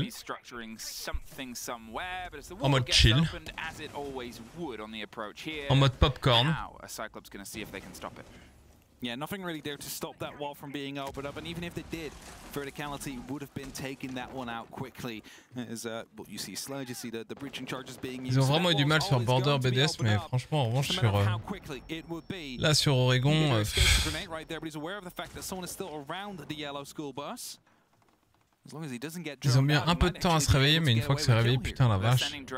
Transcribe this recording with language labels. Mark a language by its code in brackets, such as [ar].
[en] He's structuring something somewhere, but it's the wall gets opened as it always would on the approach here. [fr] En mode popcorn. [en] Now, a Cyclops going to see if they can stop it. Yeah, nothing really there to stop that wall from being opened up. And even if they did, verticality would have been taking that one out quickly. As well, you see sludge, you see the breaching charges being used. [fr] Ils ont vraiment eu du mal sur border BDS, mais franchement, en revanche, sur là sur Oregon, [en] right there, but he's aware of the fact that someone is still around the yellow school bus. [fr] Ils ont mis un peu de temps à se réveiller, mais une fois que c'est réveillé, putain la vache.